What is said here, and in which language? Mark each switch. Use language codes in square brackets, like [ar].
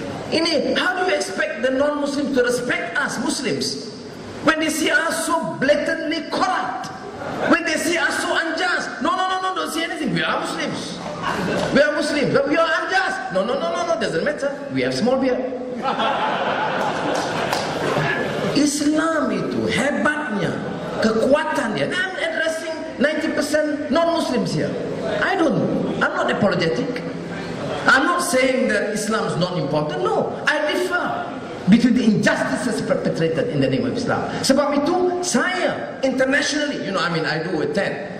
[ms] Ini, [en] how do you expect the non-Muslims to respect us Muslims when they see us so blatantly corrupt? When they see us so unjust? No, don't see anything. We are Muslims. We are Muslims, but we are unjust. No, doesn't matter. We have small beer. [ms] Islam itu hebatnya, kekuatannya. [en] Now I'm addressing 90% non-Muslims here. I'm not apologetic. I'm not saying that Islam is not important. No, I differ between the injustices perpetrated in the name of Islam. [ms] Sebab itu saya [en] internationally, I do attend.